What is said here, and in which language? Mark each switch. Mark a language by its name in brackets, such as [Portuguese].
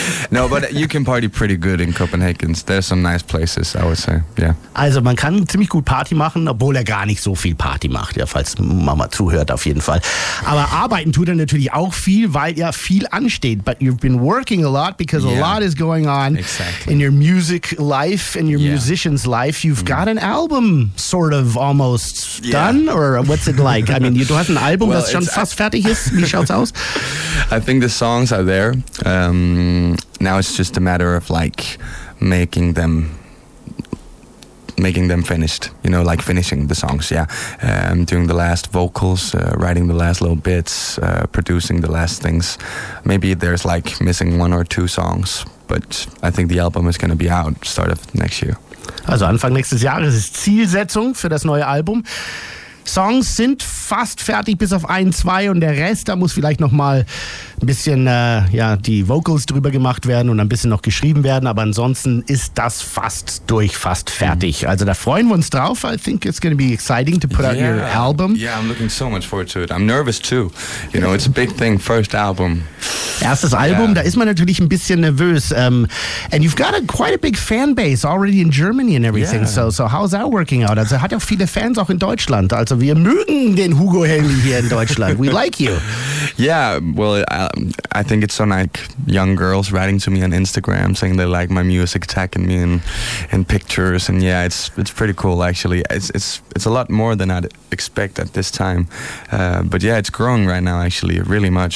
[English] No, but you can party pretty good in Copenhagen. There's some nice places, I would say, yeah. [German] Also man kann ziemlich gut Party machen, obwohl er gar nicht so viel Party macht, ja, falls Mama zuhört auf jeden Fall. Aber arbeiten tut er natürlich auch viel, weil ja viel ansteht. [English] But you've been working a lot because a lot is going on exactly. In your music life, in your musician's life. You've got an album, sort of, almost done, or what's it like? I mean, [German] du hast ein Album, das schon fast fertig ist. Wie schaut's aus? [English] I think the songs are there. Now it's just a matter of like making them finished, you know, like finishing the songs, doing the last vocals, writing the last little bits, producing the last things. Maybe there's like missing one or two songs, but I think the album is going to be out start of next year. [German] Also Anfang nächstes Jahres ist Zielsetzung für das neue Album. Songs sind fast fertig, bis auf ein, zwei und der Rest, da muss vielleicht nochmal ein bisschen die Vocals drüber gemacht werden und ein bisschen noch geschrieben werden, aber ansonsten ist das fast durch, fast fertig. Mm. Also da freuen wir uns drauf. [English] I think it's going to be exciting to put out your album. Yeah, I'm looking so much forward to it. I'm nervous too. You know, it's a big thing, first album. [German] Erstes Album, da ist man natürlich ein bisschen nervös. [English] And you've got quite a big fan base already in Germany and everything. Yeah. So how's that working out? [German] Also hat ja auch viele Fans auch in Deutschland. Also wir mögen den Hugo Helmi hier in Deutschland. [English] We like you. Yeah, well, I think it's so like young girls writing to me on Instagram saying they like my music, tagging me in pictures. And yeah, it's pretty cool, actually. It's a lot more than I'd expect at this time. But yeah, it's growing right now, actually, really much.